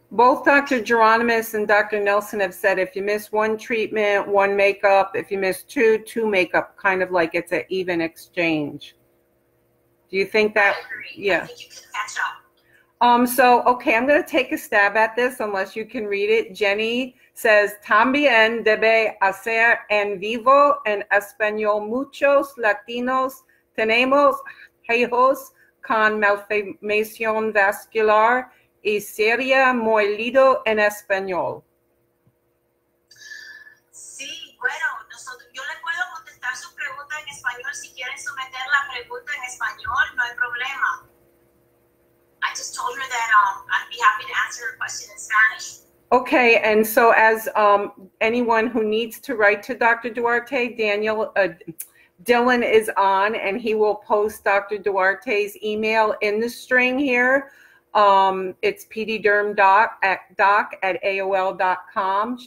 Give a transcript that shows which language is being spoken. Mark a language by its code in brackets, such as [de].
[en] Both Dr. Geronimus and Dr. Nelson have said if you miss one treatment, one makeup. If you miss two, two makeup, kind of like it's an even exchange. Do you think that? I agree. Yeah. I think you can catch up. So, okay, I'm going to take a stab at this unless you can read it. [es] Jenny [en] says, [es] también debe hacer en vivo en español. Muchos latinos tenemos hijos con malformación vascular. Y sería muy lindo en español. Sí, bueno, nosotros, yo le puedo contestar su pregunta en español. Si quieren someter la pregunta en español, no hay problema. [en] I just told her that I'd be happy to answer her question in Spanish. Okay, and so as anyone who needs to write to Dr. Duarte, Daniel, Dylan is on, and he will post Dr. Duarte's email in the string here. It's pdderm.doc@aol.com.